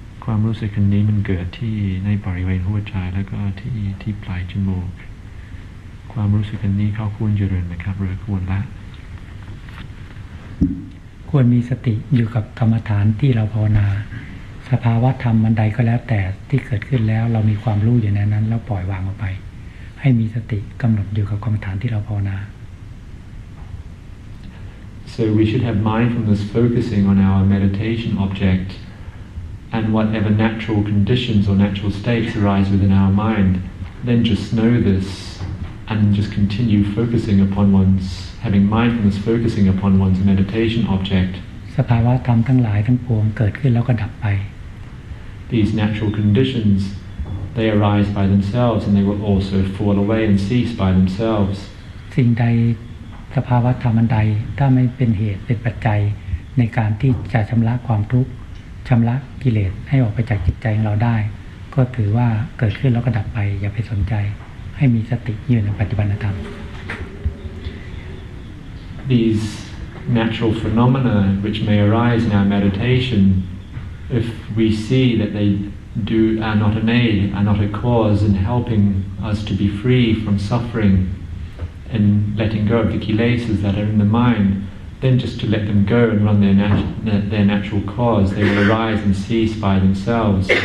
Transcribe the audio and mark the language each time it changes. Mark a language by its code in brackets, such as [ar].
[th] ความรู้สึกนี้มันเกิดที่ในบริเวณหัวใจแล้วก็ที่ปลายจมูกความรู้สึกนี้เขาควรเจริญไหมครับหรือควรละ ควรมีสติอยู่กับกรรมฐานที่เราภาวนาสภาวะธรรมอันใดก็แล้วแต่ที่เกิดขึ้นแล้วเรามีความรู้อยู่ในนั้นแล้วปล่อยวางออกไปให้มีสติกำหนดอยู่กับกรรมฐานที่เราภาวนา [en] so we should have mindfulness focusing on our meditation objectand whatever natural conditions or natural states arise within our mind, then just know this and just continue focusing upon one's, having mindfulness focusing upon one's meditation object. [th] สภาวะธรรมทั้งหลายทั้งปวงเกิดขึ้นแล้วก็ดับไป [en] These natural conditions, they arise by themselves and they will also fall away and cease by themselves. [th] สิ่งใดสภาวะธรรมอันใดถ้าไม่เป็นเหตุเป็นปัจจัยในการที่จะชำระความทุกข์ชำระกิเลสให้ออกไปจากจิตใจของเราได้ก็ถือว่าเกิดขึ้นแล้วก็ดับไปอย่าไปสนใจให้มีสติอยู่ในปัจจุบันธรรม [en] These natural phenomena which may arise in our meditation if we see that they do are not an aid are not a cause in helping us to be free from suffering and letting go of the kilesas that are in the mindthen just to let them go and run their natural cause, they will arise and cease by themselves.